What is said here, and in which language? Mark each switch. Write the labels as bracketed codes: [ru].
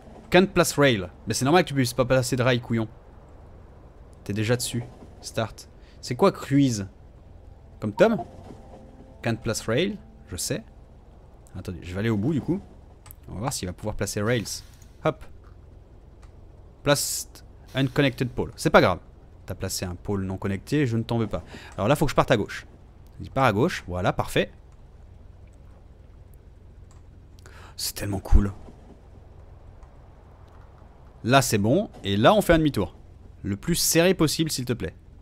[en] Can't place rail. [fr] Mais c'est normal que tu puisses pas placer de rail, couillon. T'es déjà dessus. Start. C'est quoi cruise? Comme Tom? [en] Can't place rail, [fr] je sais. Attendez, je vais aller au bout du coup. On va voir s'il va pouvoir placer rails. Hop. [en] Placed unconnected pole. [fr] C'est pas grave. T'as placé un pôle non connecté, je ne t'en veux pas. Alors là, faut que je parte à gauche. Il part à gauche, voilà, parfait. C'est tellement cool. Là, c'est bon. Et là, on fait un demi-tour. Le plus serré possible, s'il te plaît.